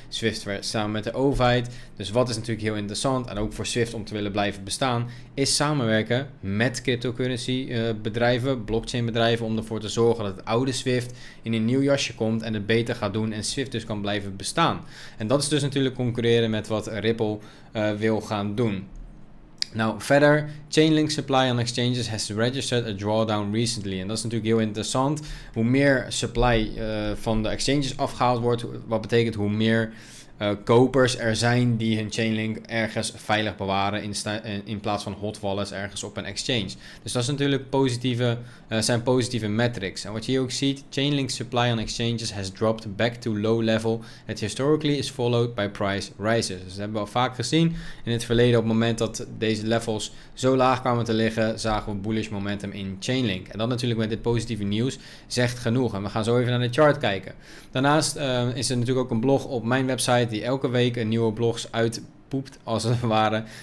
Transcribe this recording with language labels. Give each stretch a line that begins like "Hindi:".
Dutch: Swift werkt samen met de overheid. Dus wat is natuurlijk heel interessant, en ook voor Swift om te willen blijven bestaan, is samenwerken met cryptocurrency bedrijven, blockchain bedrijven, om ervoor te zorgen dat het oude Swift in een nieuw jasje komt en het beter gaat doen en Swift dus kan blijven bestaan. En dat is dus natuurlijk concurreren met wat Ripple wil gaan doen. Nou, verder,
English: Chainlink supply on exchanges has registered a drawdown recently.
Dutch: En dat is natuurlijk heel interessant. Hoe meer supply van de exchanges afgehaald wordt, wat betekent hoe meer kopers er zijn die hun Chainlink ergens veilig bewaren in plaats van hot wallets ergens op een exchange. Dus dat is natuurlijk positieve metrics. En wat je hier ook ziet,
English: Chainlink supply on exchanges has dropped back to low level. It historically is followed by price rises.
Dutch: Dus dat hebben we al vaak gezien in het verleden. Op het moment dat deze levels zo laag kwamen te liggen, zagen we bullish momentum in Chainlink. En dat natuurlijk met dit positieve nieuws zegt genoeg. En we gaan zo even naar de chart kijken. Daarnaast is er natuurlijk ook een blog op mijn website die elke week een nieuwe blogs uitpoept als het ware.